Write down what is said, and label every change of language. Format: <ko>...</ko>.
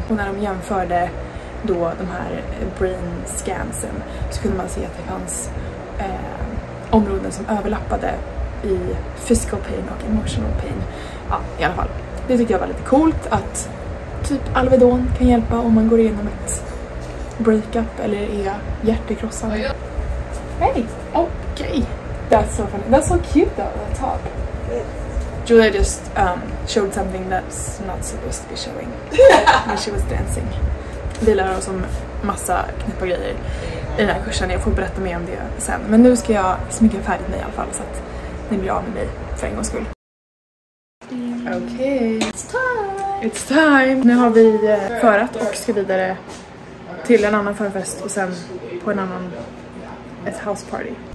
<sv>Och när de jämförde då de här brain scansen så kunde man se att det fanns områden som överlappade i</sv> <en>physical pain</en> <sv>och</sv> <en>emotional pain.</en> <sv>Ja, i alla fall. Det tycker jag var lite coolt att typ Alvedon kan hjälpa om man går igenom ett breakup eller är hjärtekrossad. Hej! Okej!</sv> <en>That's so funny. That's so cute though, the top. Julia just showed something that's not supposed to be showing when she was dancing.</en> <sv>Vi lär oss om massa knäppa grejer i den här kursen. Jag får berätta mer om det sen. Men nu ska jag sminka färdigt mig i alla fall så att ni blir av med mig för en gångs skull. Okej.</sv> <en>It's time!</en> <sv>Nu har vi förat och ska vidare till en annan förfest och sen på en annan, ett house party.</sv>